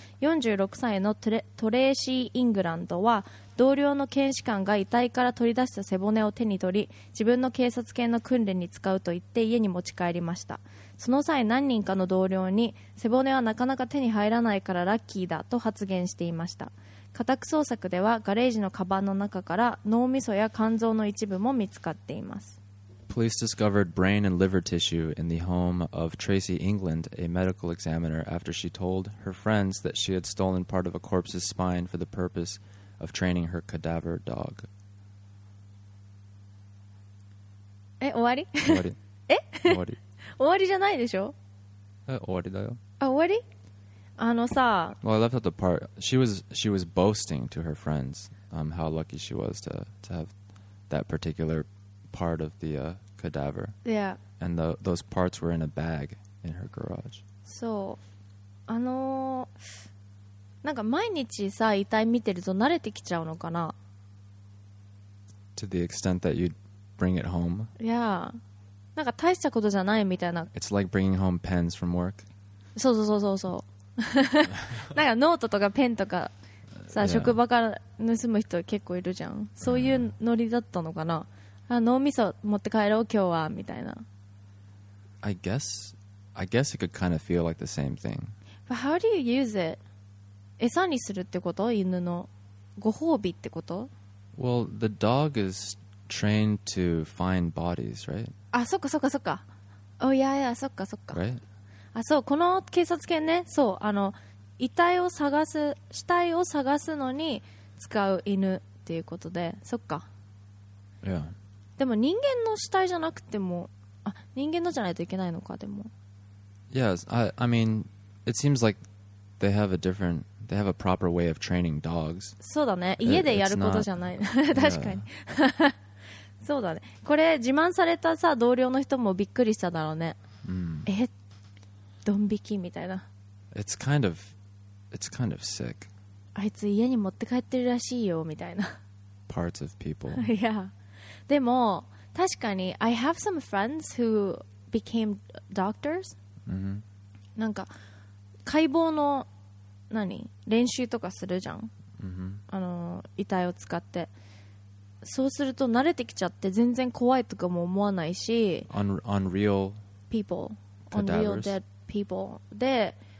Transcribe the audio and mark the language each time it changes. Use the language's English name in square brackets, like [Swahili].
[Japanese] 46歳のトレーシー・イングランドは、同僚の検視官が遺体から取り出した背骨を手に取り、自分の警察犬の訓練に使うと言って家に持ち帰りました。その際何人かの同僚に背骨はなかなか手に入らないからラッキーだと発言していました。家宅捜索ではガレージのカバンの中から脳みそや肝臓の一部も見つかっています。 [English] Police discovered brain and liver tissue in the home of Tracy England, a medical examiner, after she told her friends that she had stolen part of a corpse's spine for the purposeof training her cadaver dog. [Japanese] え、終わり？終わり。え？終わりじゃないでしょ？え、終わりだよ。あ、終わり？あのさ。 [English] Well, I left out the part. She was boasting to her friends how lucky she was to have that particular part of the cadaver. Yeah. And those parts were in a bag in her garage. [Japanese] そう。あの。なんか毎日さ遺体見てると慣れてきちゃうのかな。 [English] To the extent that you'd bring it home? Yeah. [Japanese] なんか大したことじゃないみたいな。 [English] It's like bringing home pens from work. [Japanese] そうそうそうそうそう。なんかノートとかペンとかさ、yeah. 職場から盗む人結構いるじゃん。そういうノリだったのかな。あ、脳みそ持って帰ろう今日はみたいな。 [English] I guess it could kind of feel like the same thing. But how do you use it? [Japanese] 餌にするってこと？犬のご褒美ってこと？ [English] Well, the dog is trained to find bodies, right? [Japanese] あ、そっかそっかそっか。 [English] Oh, yeah, yeah, [Japanese] そっかそっか。 [English] Right? [Japanese] あ、そう、この警察犬ね、そう、あの、遺体を探す、死体を探すのに使う犬っていうことで、そっか。 [English] Yeah. [Japanese] でも人間の死体じゃなくても、あ、人間のじゃないといけないのか、でも。 [English] Yeah, I mean, it seems like they have a differentThey have a proper way of training dogs. [Japanese] そうだね。家でやることじゃない。確かに。そうだね。これ自慢されたさ同僚の人もびっくりしただろうね。え、ドン引きみたいな。 [English] It's kind of It's kind of sick. [Japanese] あいつ家に持って帰ってるらしいよみたいな。 [English] Parts of people. Yeah. [Japanese] でも確かに [English] I have some friends who became doctors. Mm-hmm. [Japanese] なんか解剖の何練習とかするじゃん。 Mm-hmm. あの遺体を使って。そうすると慣れてきちゃって全然怖いとかも思わないし。 [English] Unreal people. Unreal dead people. で。